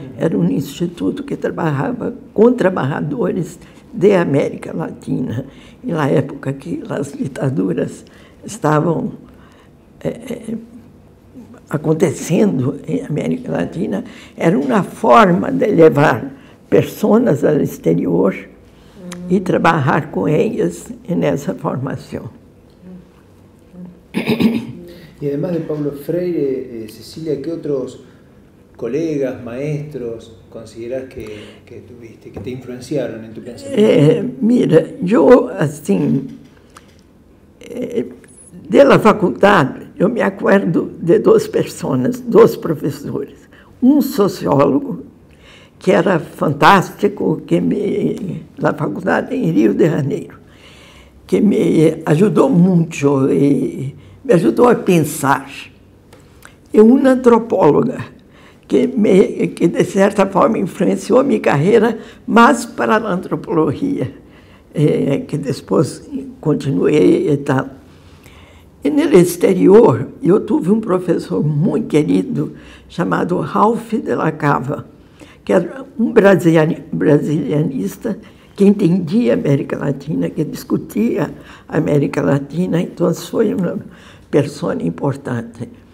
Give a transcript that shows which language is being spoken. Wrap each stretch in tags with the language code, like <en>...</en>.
<pt>Era um instituto que trabalhava com trabalhadores de América Latina, na época que as ditaduras estavam... acontecendo em América Latina, era uma forma de levar pessoas ao exterior e trabalhar com elas nessa formação.</pt> <es>Y además de Paulo Freire, Cecilia, ¿qué otros colegas, maestros consideras que tuviste, que te influenciaron en tu pensamiento? Mira, yo, así, de la facultad, yo me acuerdo de dos personas, dos profesores. Un sociólogo, que era fantástico, que me, la facultad en Río de Janeiro, que me ayudó mucho y me ayudó a pensar. Y una antropóloga,</es> <pt>que de certa forma influenciou a minha carreira, mas para a antropologia, que depois continuei e tal. E no exterior, eu tive um professor muito querido, chamado Ralph de la Cava, que era um brasilianista que entendia a América Latina, que discutia a América Latina, então foi uma pessoa importante.</pt>